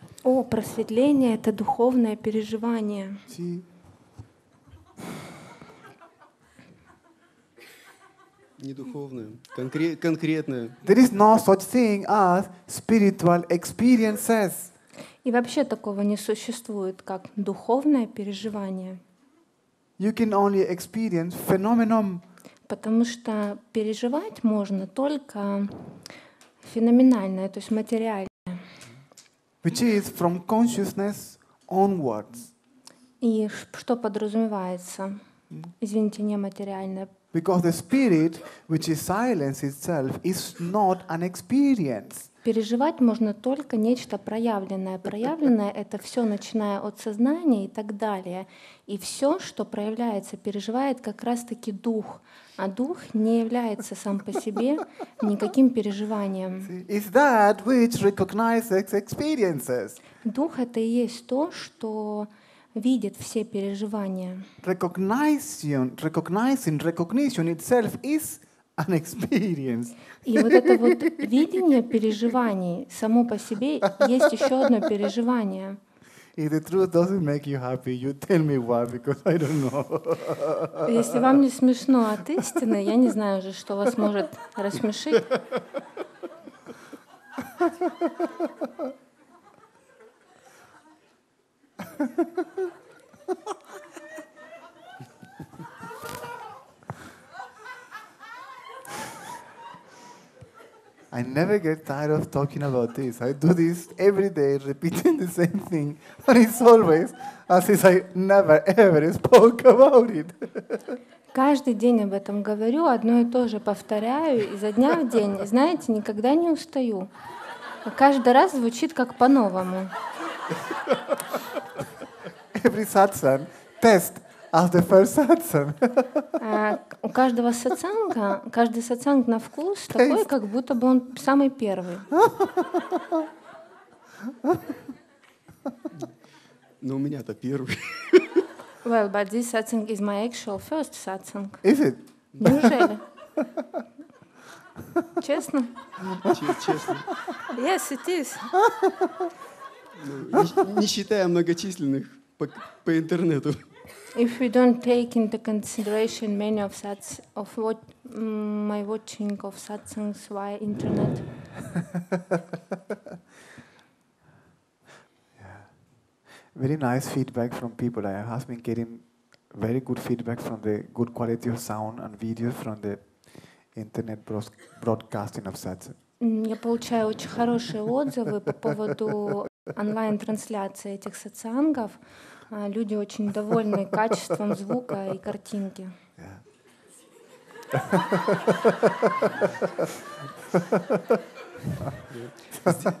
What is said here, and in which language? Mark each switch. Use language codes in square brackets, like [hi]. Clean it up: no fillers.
[ru] О, просветление — это духовное переживание. [en] See? [ru] Не духовное, конкретное. [en] There is no such thing as spiritual experiences. [ru] И вообще такого не существует, как духовное переживание. [en] You can only experience phenomenon. [ru] Потому что переживать можно только феноменальное, то есть материальное. [en] Which is from consciousness onwards. [ru] И что подразумевается? Извините, не материальное. [en] Because the spirit, which is silence itself, is not an experience. [ru] Переживать можно только нечто проявленное. Проявленное — это все, начиная от сознания и так далее. И все, что проявляется, переживает как раз-таки дух. А дух не является сам по себе никаким переживанием. [en] Is that which recognizes experiences? [ru] Дух — это и есть то, что видит все переживания. [en] Recognizing itself is an experience. [ru] И вот это вот видение переживаний само по себе есть еще одно переживание. [en] If the truth doesn't make you happy, you tell me why, because I don't know. [ru] Если вам не смешно от истины, я не знаю уже, что вас может рассмешить. [en] I never get tired of talking about this. I do this every day, repeating the same thing, and it's always as if I never ever spoke about it. [ru] Каждый день об этом говорю, одно и то же повторяю изо дня в день. Знаете, никогда не устаю. А каждый раз звучит как по-новому. [en] Every satsang test as the first satsang. [ru] У каждого сатсанга, каждый сатсанг на вкус Taste. Такой, как будто бы он самый первый. Ну, у меня-то первый. [en] Well, but this satsang is my actual first satsang. Is it? [ru] Неужели? Честно? Честно. [en] Yes, it is. [ru] Не считая многочисленных по интернету. [en] If we don't take into consideration many of such of what my watching of satsangs via internet. Yeah. Very nice feedback from people. I have been getting very good feedback from the good quality of sound and video from the internet broadcasting of satsang. [ru] Я получаю очень хорошие отзывы по поводу онлайн-трансляции этих сатсангов. Люди очень довольны качеством звука и картинки. [en] Yeah.